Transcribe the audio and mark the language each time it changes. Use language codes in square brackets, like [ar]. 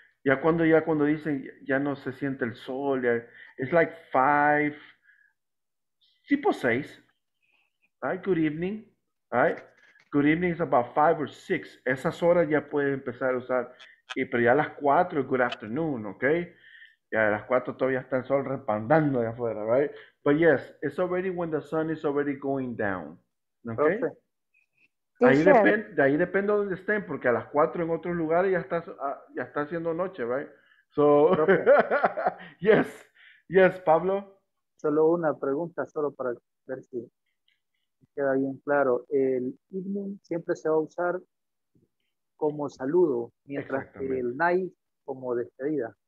[es] Ya cuando dicen ya no se siente el sol, ya, [en] it's like 5, [es] tipo 6. Right? [en] Good evening. [es] Right? [en] Good evening is about 5 or 6. [es] Esas horas ya puedes empezar a usar. Y, pero ya a las 4, [en] good afternoon, [es] ¿ok? Ya a las 4 todavía está el sol respandando de afuera, right? [en] But yes, it's already when the sun is already going down. ¿Ok? [es] Ahí de ahí depende de donde estén, porque a las 4 en otros lugares ya está haciendo noche, right? [en] So, yes, yes, Pablo. [es] Solo una pregunta, solo para ver si queda bien claro. El evening siempre se va a usar como saludo, mientras que el night como despedida.